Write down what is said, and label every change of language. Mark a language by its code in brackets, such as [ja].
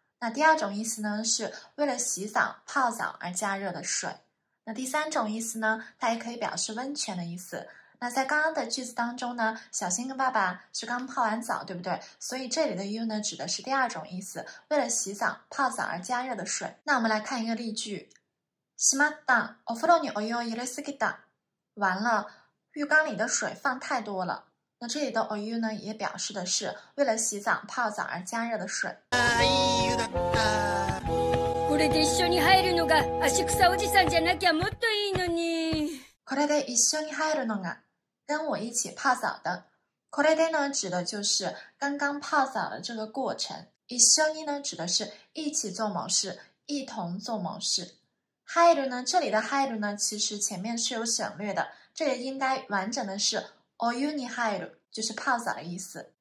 [zh] 那第二种意思呢，是为了洗澡泡澡而加热的水。那第三种意思呢，它也可以表示温泉的意思。那在刚刚的句子当中呢，小新跟爸爸是刚泡完澡，对不对？所以这里的 you 呢，指的是第二种意思，为了洗澡泡澡而加热的水。那我们来看一个例句： [ja] しまった、お風呂にお湯を入れすぎた。 [zh] 完了，浴缸里的水放太多了。那这里的 お湯 呢，也表示的是为了洗澡泡澡而加热的水。 [ja] これで一緒に入るのが足臭おじさんじゃなきゃもっといいのに。これで一緒に入るのが。 [zh] 跟我一起泡澡的， [ja] これで [zh] 呢，指的就是刚刚泡澡的这个过程。一緒に呢，指的是一起做某事，一同做某事。入呢，这里的入呢，其实前面是有省略的，这里应该完整的是 [ja] お湯に入る， [zh] 就是泡澡的意思。